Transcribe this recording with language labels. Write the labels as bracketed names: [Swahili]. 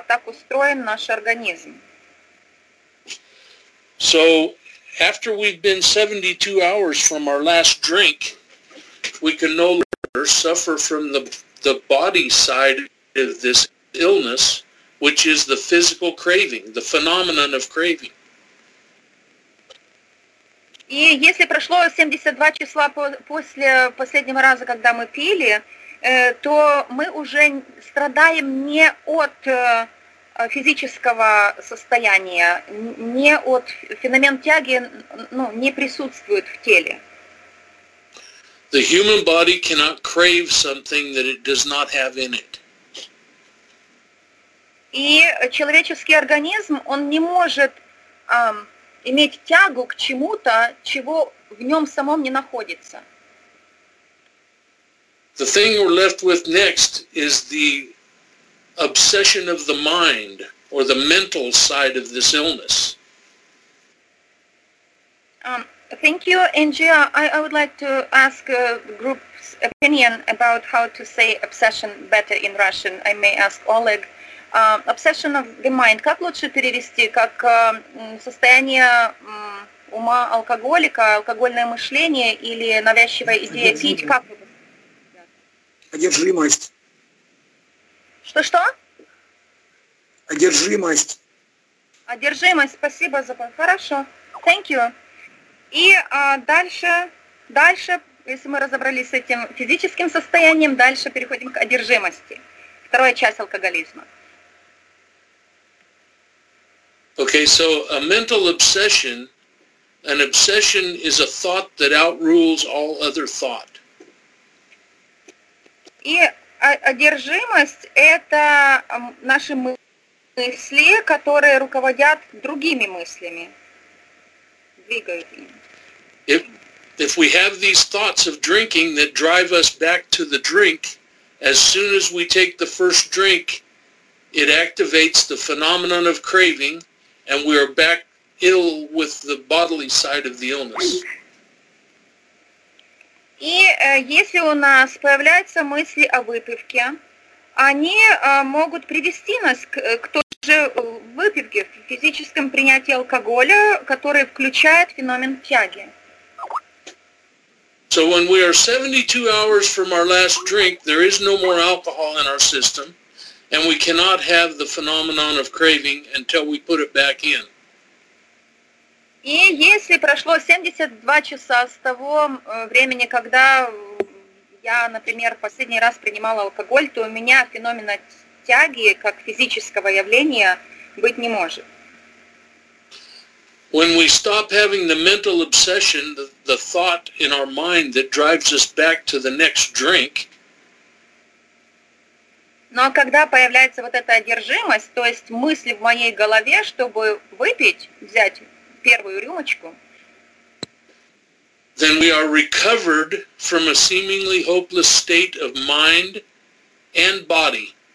[Russian] Так устроен наш организм. [English] So, after we've been 72 hours from our last drink, we can no longer suffer from the body side of this illness, which is the physical craving, the phenomenon of craving. [Russian] И если прошло 72 часа после последнего раза, когда мы пили, то мы уже страдаем не от физического состояния, не от феномен тяги, не присутствует в теле. [English] The human body cannot crave something that it does not have in it. [Russian] И человеческий организм, он не может иметь тягу к чему-то, чего в нем самом не находится. [English] The thing we're left with next is the obsession of the mind or the mental side of this illness. Thank you, Angie. I would like to ask the group's opinion about how to say obsession better in Russian. I may ask Oleg. Obsession of the mind, [Russian] как лучше перевести, как состояние ума алкоголика, алкогольное мышление или навязчивая идея пить, как? Одержимость. Что-что? Одержимость. Одержимость, спасибо за... Хорошо, [English] thank you. [Russian] И дальше, если мы разобрались с этим физическим состоянием, дальше переходим к одержимости, вторая часть алкоголизма. [English] Okay, so a mental obsession, an obsession is a thought that outrules all other thought. [Russian] И одержимость – это наши мысли, которые руководят другими мыслями, двигают ими. [English] If we have these thoughts of drinking that drive us back to the drink, as soon as we take the first drink, it activates the phenomenon of craving, and we are back ill with the bodily side of the illness. [Russian] И если у нас появляются мысли о выпивке, они могут привести нас к той же выпивке, в физическом принятии алкоголя, который включает феномен тяги. [English] So when we are 72 hours from our last drink, there is no more alcohol in our system. And we cannot have the phenomenon of craving until we put it back in. [Russian] И если прошло 72 часа с того времени, когда я, например, последний раз принимала алкоголь, то у меня феномена тяги как физического явления быть не может. [English] When we stop having the mental obsession, the thought in our mind that drives us back to the next drink. [Russian] Но когда появляется вот эта одержимость, то есть мысли в моей голове, чтобы выпить, взять первую рюмочку. [English] Then we are recovered from a seemingly hopeless state of mind and body.